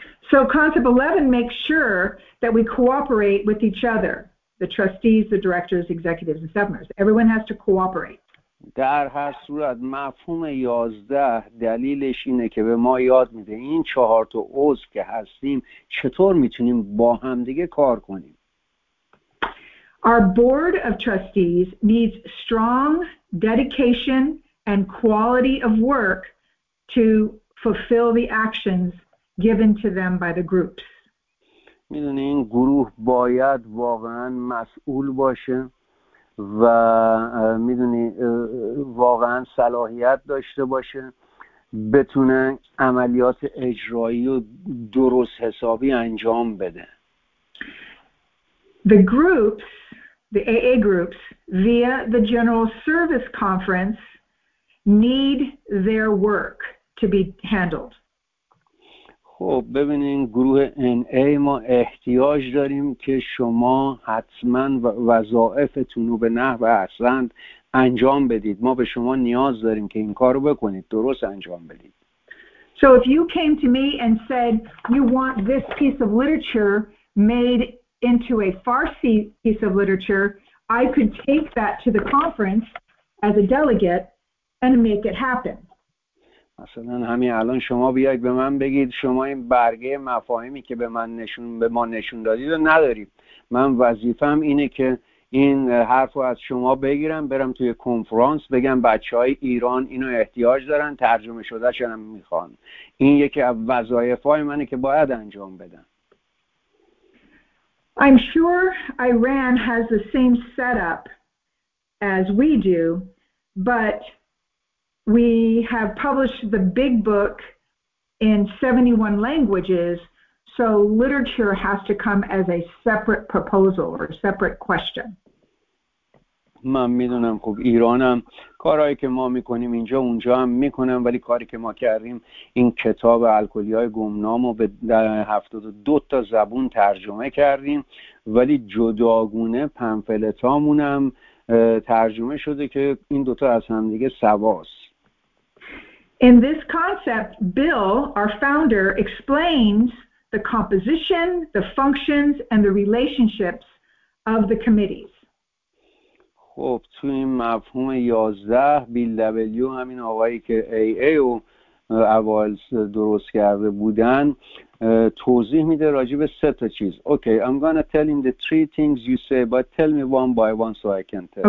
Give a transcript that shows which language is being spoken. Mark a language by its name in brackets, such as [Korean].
[English] So concept 11 makes sure that we cooperate with each other, the trustees, the directors, executives and staff members. Everyone has to cooperate. [Persian] در هر صورت مفهوم 11 دلیلش اینه که به ما یاد میده این چهار تا عضو که هستیم چطور میتونیم با همدیگه کار کنیم. [English] Our board of trustees needs strong dedication and quality of work to fulfill the actions given to them by the groups. [Persian] میدونی این گروه باید واقعا مسئول باشه و میدونی واقعا صلاحیت داشته باشه بتونه عملیات اجرایی رو درست حسابی انجام بده. [English] The groups, the AA groups, via the General Service Conference need their work to be handled. [Persian] خب ببینین گروه NA ما احتیاج داریم که شما حتما وظائفتون رو به نحو احسن انجام بدید. ما به شما نیاز داریم که این کار رو بکنید، درست انجام بدید. [English] So if you came to me and said you want this piece of literature made into a Farsi piece of literature, I could take that to the conference as a delegate and make it happen. [Persian] مثلا همین الان شما بیاید به من بگید شما این برگه مفاهیمی که به ما نشون دادید و نداریم، من وظیفه‌ام اینه که این حرف رو از شما بگیرم برم توی کنفرانس بگم بچه های ایران اینو احتیاج دارن، ترجمه شده شنم میخوان. این یکی از وظایف های منه که باید انجام بدم. [English] I'm sure Iran has the same setup as we do, but we have published the big book in 71 languages, so literature has to come as a separate proposal or separate question. [Persian] من میدونم خب ایرانم کارهایی که ما میکنیم اینجا اونجا هم میکنم، ولی کاری که ما کردیم این کتاب الکلی‌های گمنام رو به 72 تا زبون ترجمه کردیم، ولی جداگونه پمفلتامونم ترجمه شده که این دوتا از هم دیگه سواست. [English] In this concept, Bill, our founder, explains the composition, the functions, and the relationships of the committees. [Persian] خب تو این مفهوم 11 بیل دبلیو، همین آقایی که AA رو اول درست کرده بودن، توضیح میده راجع به سه تا چیز. [English] Okay, I'm going to tell him the three things you say, but tell me one by one so I can tell.